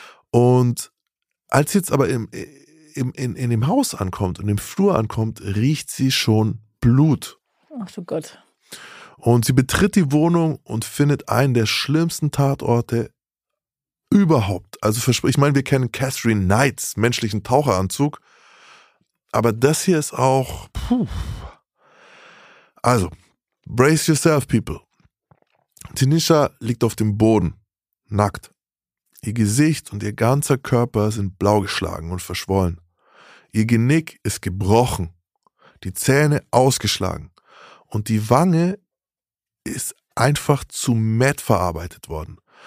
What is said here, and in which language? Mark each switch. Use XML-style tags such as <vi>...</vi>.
<de>Und als sie jetzt aber in dem Haus ankommt und im Flur ankommt, riecht sie schon Blut. Ach du Gott. Und sie betritt die Wohnung und findet einen der schlimmsten Tatorte überhaupt. Also ich meine, wir kennen Catherine Knights menschlichen Taucheranzug. Aber das hier ist auch, puh.</de> <en>Also, brace yourself, people.</en> <de>Tinisha liegt auf dem Boden, nackt. Ihr Gesicht und ihr ganzer Körper sind blau geschlagen und verschwollen. Ihr Genick ist gebrochen, die Zähne ausgeschlagen und die Wange ist einfach zu Matt verarbeitet worden.</de>